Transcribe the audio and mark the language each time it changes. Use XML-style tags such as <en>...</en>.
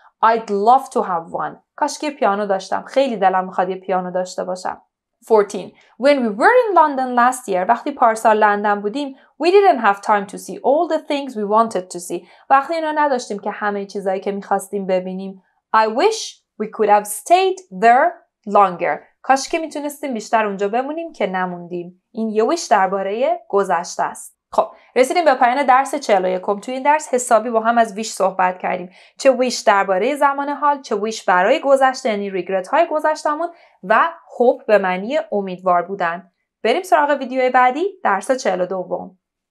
<en>I'd love to have one.</en> <fa>کاش که پیانو داشتم. خیلی دلم میخواد یه پیانو داشته باشم.</fa> <en>14. When we were in London last year,</en> <fa>وقتی پارسال لندن بودیم,</fa> <en>we didn't have time to see all the things we wanted to see.</en> <fa>وقتی اینا نداشتیم که همه چیزایی که میخواستیم ببینیم.</fa> <en>I wish we could have stayed there longer.</en> <fa>کاش که میتونستیم بیشتر اونجا بمونیم که نموندیم. این یه wish درباره گذشته است. خب رسیدیم به پایان درس 41. توی این درس حسابی با هم از wish صحبت کردیم. چه wish درباره زمان حال، چه wish برای گذشته، یعنی regret های گذشتمون و hope به معنی امیدوار بودن. بریم سراغ ویدیوی بعدی درس 42.</fa>